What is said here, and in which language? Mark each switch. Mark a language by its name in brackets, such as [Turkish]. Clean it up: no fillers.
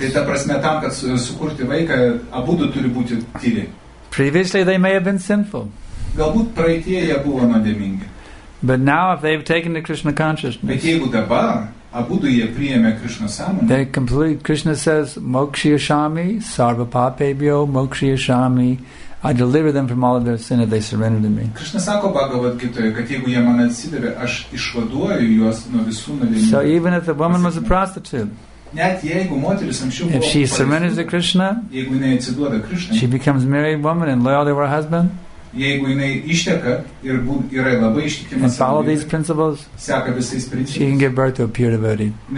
[Lithuanian] Tai ta prasme, tam, kad sukurti vaiką, abudu turi būti tyri. [English] Previously they may have been sinful. [Lithuanian] Galbūt praeitie jie buvo nuodėmingi. [English] But now if they've taken the Krishna consciousness. [Lithuanian] Bet jeigu dabar abudu jie priėmė Krishna sąmonę. [English] They complete, Krishna says, [Sanskrit] Mokshyashami, Sarva Papebhyo, Mokshyashami, [English] I deliver them from all of their sin if they surrender to me. [Lithuanian] Krishna sako Bhagavad Gitoje, kad jeigu jie man atsidavė, aš išvaduoju juos nuo visų nuodėmingų. [English] So even if the woman was a prostitute. If she surrenders to Krishna, she becomes a married woman and loyal to her husband, and follow these principles, she can give birth to a pure devotee.